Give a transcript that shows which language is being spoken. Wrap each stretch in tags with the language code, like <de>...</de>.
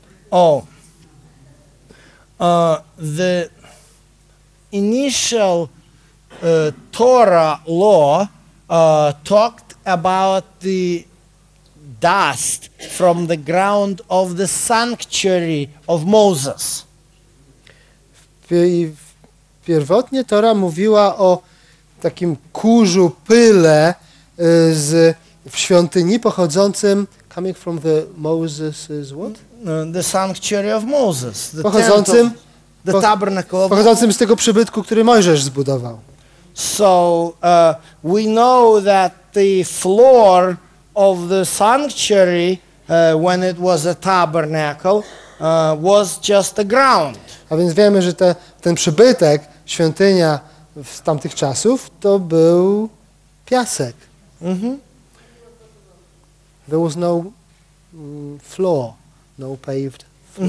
<en>Oh, the initial Torah law talked about the dust from the ground of the sanctuary of Moses.</en> <pl>Pierwotnie Tora mówiła o takim kurzu, pyle w świątyni pochodzącym,</pl> <en>coming from the Moses's what? The sanctuary of Moses. The</en> <pl>pochodzącym,</pl> <en>tent of, the tabernacle of</en> <pl>pochodzącym z tego przybytku, który Mojżesz zbudował.</pl> <en>So we know that the floor of the sanctuary when it was a tabernacle was just the ground.</en> <pl>A więc wiemy, że ten przybytek, świątynia w tamtych czasów, to był piasek. Mm-hmm.</pl> <en>There was no floor, no paved floor.</en>